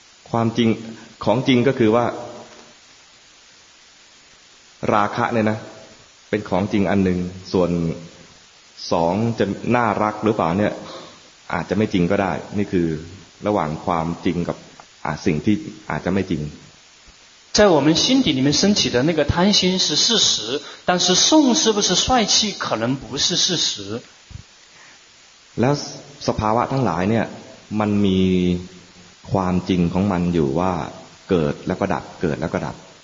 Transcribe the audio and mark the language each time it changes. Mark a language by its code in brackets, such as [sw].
[th] ความจริงของจริงก็คือว่าราคะเนี่ยนะเป็นของจริงอันหนึ่งส่วนสองจะน่ารักหรือเปล่าเนี่ยอาจจะไม่จริงก็ได้นี่คือระหว่างความจริงกับสิ่งที่อาจจะไม่จริง [zh] 在我们心底里面升起的那个贪心是事实但是送是不是帅气可能不是事实 [th] แล้วสภาวะทั้งหลายเนี่ยมันมีความจริงของมันอยู่ว่าเกิดแล้วก็ดับเกิดแล้วก็ดับ